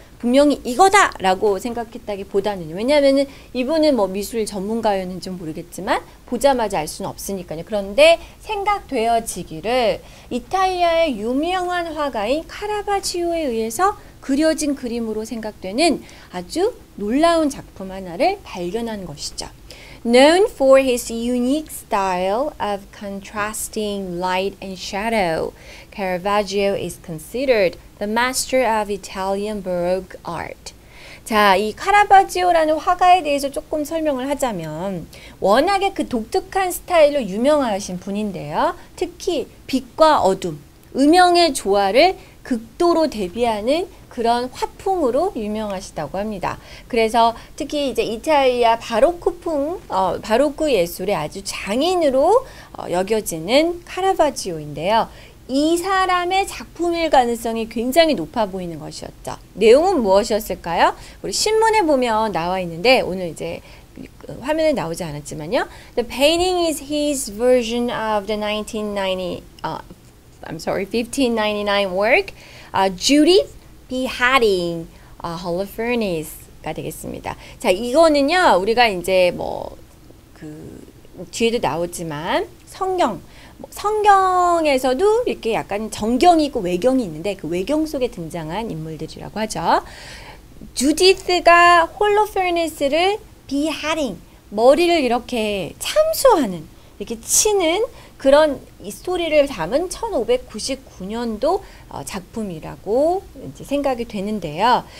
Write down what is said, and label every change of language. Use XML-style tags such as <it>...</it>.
<ko>분명히 이거다 라고 생각했다기 보다는, 왜냐면은 이분은 뭐 미술 전문가였는지 모르겠지만 보자마자 알 수는 없으니까요. 그런데 생각되어지기를 이탈리아의 유명한 화가인 카라바지오에 의해서 그려진 그림으로 생각되는 아주 놀라운 작품 하나를 발견한 것이죠.</ko> <en>Known for his unique style of contrasting light and shadow, Caravaggio is considered the master of Italian Baroque art.</en> <ko>자, 이 카라바지오라는 화가에 대해서 조금 설명을 하자면, 워낙에 그 독특한 스타일로 유명하신 분인데요. 특히 빛과 어둠, 음영의 조화를 극도로 대비하는 그런 화풍으로 유명하시다고 합니다. 그래서 특히 이제 이탈리아 바로크풍, 바로크 예술의 아주 장인으로 여겨지는 카라바지오인데요. 이 사람의 작품일 가능성이 굉장히 높아 보이는 것이었죠. 내용은 무엇이었을까요? 우리 신문에 보면 나와 있는데, 오늘 이제 화면에 나오지 않았지만요.</ko> <en>The painting is his version of the 1599 work, Judith Beheading a Holofernes</en> <ko>가 되겠습니다. 자, 이거는요, 우리가 이제 뭐, 그, 뒤에도 나오지만, 성경. 뭐 성경에서도 이렇게 약간 정경이 있고 외경이 있는데, 그 외경 속에 등장한 인물들이라고 하죠. 주디스가 홀로페르네스를 비하링, 머리를 이렇게 참수하는, 이렇게 치는 그런 이 스토리를 담은 1599년도 작품이라고 이제 생각이 되는데요.</ko>